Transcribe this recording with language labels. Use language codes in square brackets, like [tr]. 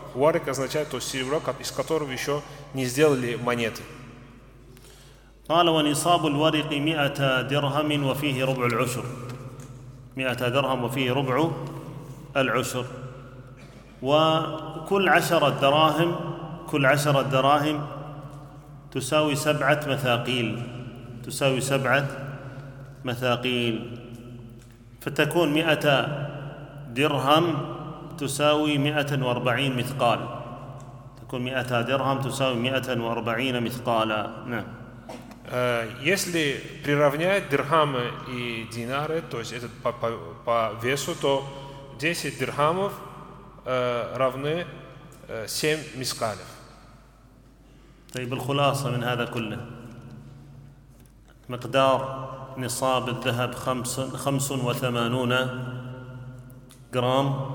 [ru] Варак означает то серебро, из которого еще не сделали монеты. [ar] قال ونصاب الورق 100 درهم وفيه ربع العشر 100 درهم وفيه ربع العشر وكل 10 دراهم كل 10 دراهم تساوي 7 مثاقيل تساوي 7 مثاقيل فتكون 100 درهم تساوي 140 مثقال تكون 100 درهم تساوي 140 مثقالا نعم. [ru] Если приравнять дирхамы и динары, то есть этот по весу, то 10 дирхамов равны 7 мискалев. [ar] طيب الخلاصة من هذا كله مقدار نصاب الذهب 85 جرام